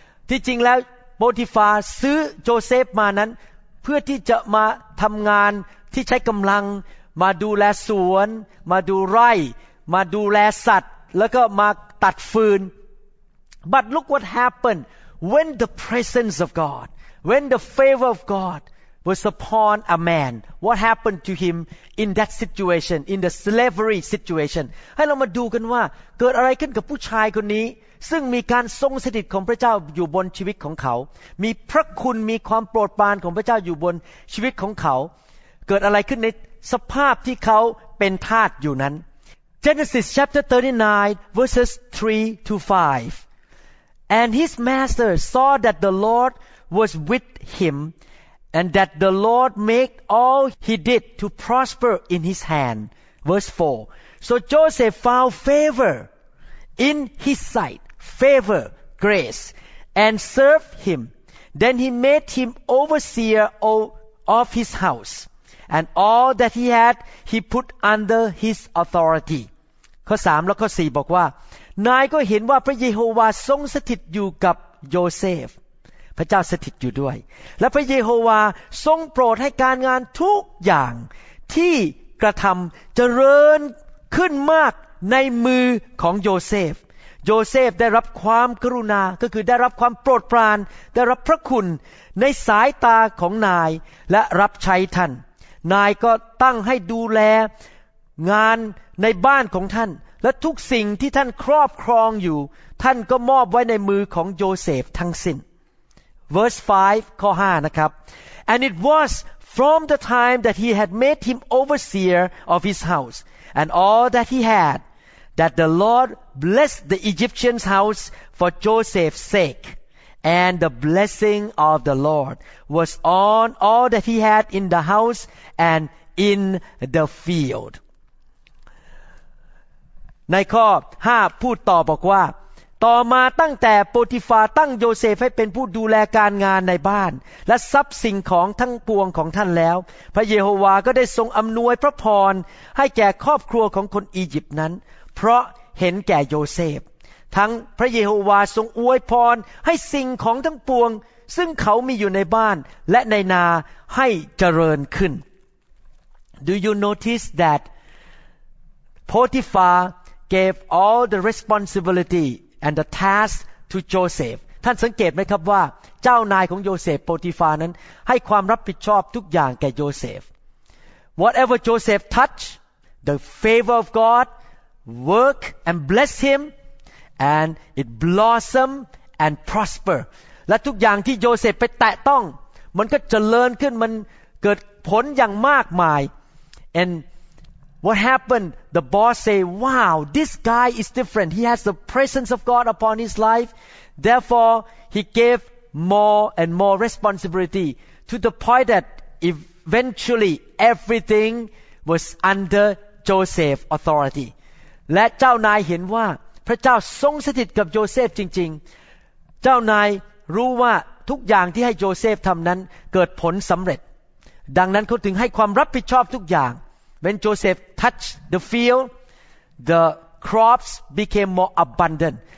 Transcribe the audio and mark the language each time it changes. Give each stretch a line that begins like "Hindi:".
Thai: ที่จริงแล้วโปติฟาร์ซื้อโจเซฟมานั้นเพื่อที่จะมาทำงานที่ใช้กำลังมาดูแลสวนมาดูไร่มาดูแลสัตว์แล้วก็มาตัดฟืน
English: But look what happened when the presence of God,
Thai: when the favor of God
English: was upon a man. What happened to him in that situation, in the slavery situation?
Thai: ให้เรามาดูกันว่าเกิดอะไรขึ้นกับผู้ชายคนนี้ซึ่งมีการทรงสถิตของพระเจ้าอยู่บนชีวิตของเขามีพระคุณมีความโปรดปรานของพระเจ้าอยู่บนชีวิตของเขาเกิดอะไรขึ้นในสภาพที่เขาเป็นทาสอยู่นั้น
English: Genesis chapter 39 verses 3 to 5 And his master saw that the Lord was with himAnd that the Lord made all he did to prosper in his hand. Verse 4. So Joseph found favor in his sight, favor, grace, and served him. Then he made him overseer of his house. And all that he had, he put under his authority.
Thai: ข้อ 3 และข้อ 4 บอกว่า นายก็เห็นว่าพระเยโฮวาทรงสถิตอยู่กับโยเซฟพระเจ้าสถิตอยู่ด้วยและพระเยโฮวาทรงโปรดให้การงานทุกอย่างที่กระทำเจริญขึ้นมากในมือของโยเซฟโยเซฟได้รับความกรุณาก็คือได้รับความโปรดปรานได้รับพระคุณในสายตาของนายและรับใช้ท่านนายก็ตั้งให้ดูแล งานในบ้านของท่านและทุกสิ่งที่ท่านครอบครองอยู่ท่านก็มอบไว้ในมือของโยเซฟทั้งสิ้น
English: Verse 5,
Thai: ข้อ 5 นะครับ
English: And it was from the time that he had made him overseer of his house and all that he had that the Lord blessed the Egyptian's house for Joseph's sake. And the blessing of the Lord was on all that he had in the house and in the field.
Thai: ในข้อ 5 พูดต่อบอกว่าต่อมาตั้งแต่โปรติฟาตั้งโยเซฟให้เป็นผู้ดูแลการงานในบ้านและทรัพย์สิ่งของทั้งปวงของท่านแล้วพระเยโฮวาก็ได้ทรงอำนวยพระพรให้แก่ครอบครัวของคนอียิปต์นั้นเพราะเห็นแก่โยเซฟทั้งพระเยโฮวาทรงอวยพรให้สิ่งของทั้งปวงซึ่งเขามีอยู่ในบ้านและในนาให้เจริญขึ้น
English: Do you notice that Potiphar gave all the responsibilityand the task to Joseph
Thai: ท่านสังเกตไหมครับว่าเจ้านายของโยเซฟโปรติฟานั้นให้ความรับผิดชอบทุกอย่างแก่โยเซฟ
English: whatever Joseph touch the favor of God work and bless him and it blossom and prosper
Thai: และทุกอย่างที่โยเซฟไปแตะต้องมันก็เจริญขึ้นมันเกิดผลอย่างมากมาย
English: andWhat happened? The boss say, wow, this guy is different. He has the presence of God upon his life. Therefore, he gave more and more responsibility to the point that eventually everything was under Joseph's authority.
Thai: และเจ้านายเห็นว่าพระเจ้าทรงสถิตกับโยเซฟจริงๆเจ้านายรู้ว่าทุกอย่างที่ให้โยเซฟทำนั้นเกิดผลสำเร็จดังนั้นเขาถึงให้ความรับผิดชอบทุกอย่าง
English: When Joseph touched the field, the crops became more abundant.